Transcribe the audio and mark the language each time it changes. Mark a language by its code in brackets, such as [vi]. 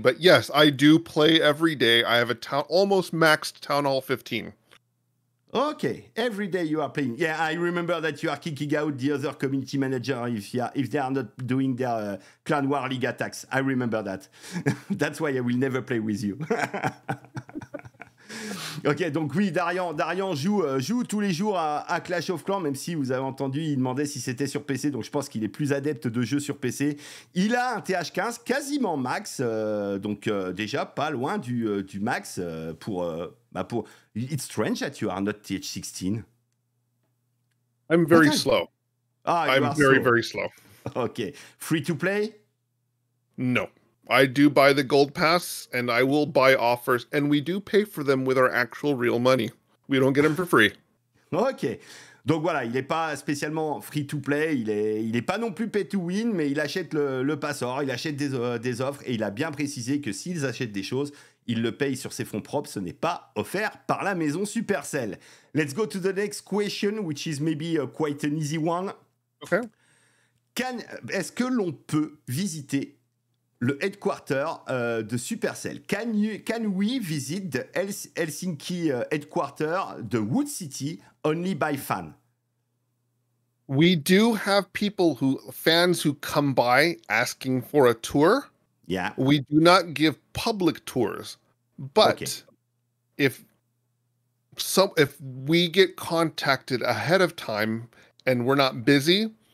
[en] But yes, I do play every day. I have a almost maxed Town Hall 15. Okay. Every day you are playing. Yeah, I remember that you are kicking out the other community manager if they are not doing their Clan War League attacks. I remember that. That's why I will never play with you. [fr] Ok, donc oui, Darian joue tous les jours à Clash of Clans, même si vous avez entendu, il demandait si c'était sur PC, donc je pense qu'il est plus adepte de jeux sur PC. Il a un TH15 quasiment max, donc déjà pas loin du max pour... [en] It's strange that you are not TH16. I'm very slow. Ah, I'm very, very slow. Ok, free to play? No. I do buy the gold pass, and I will buy offers, and we do pay for them with our actual real money. We don't get them for free. Ok. [fr] Donc voilà, il n'est pas spécialement free-to-play, il est pas non plus pay-to-win, mais il achète le passeur, il achète des offres, et il a bien précisé que s'ils achètent des choses, il le paye sur ses fonds propres, ce n'est pas offert par la maison Supercell. [en] Let's go to the next question, which is maybe quite an easy one. Okay. [fr] Est-ce que l'on peut visiter le headquarter de Supercell? [en] Can we visit the Helsinki headquarter, the Wood City, only by fan? We do have fans who come by asking for a tour. Yeah. We do not give public tours, but if we get contacted ahead of time and we're not busy.